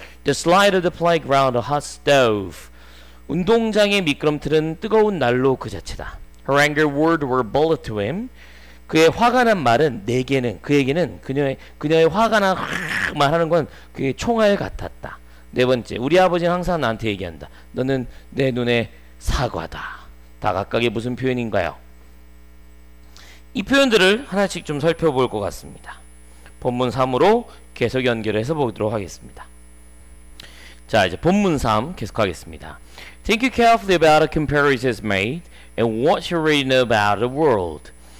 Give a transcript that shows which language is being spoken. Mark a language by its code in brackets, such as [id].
[en] The slide of the playground, a hot stove. [ko] 운동장의 미끄럼틀은 뜨거운 난로 그 자체다. [en] Her angry words were bullet to him. [ko] 그의 화가 난 말은 내게는 그에게는 그녀의 화가 난 말하는 건 그의 총알 같았다. 네 번째, 우리 아버지는 항상 나한테 얘기한다. 너는 내 눈에 사과다. 다각각의 무슨 표현인가요? 이 표현들을 하나씩 좀 살펴볼 것 같습니다. 본문 3으로 계속 연결해서 보도록 하겠습니다. 자, 이제 본문 3 계속하겠습니다. [en] Think carefully about the comparisons made and what you really know about the world.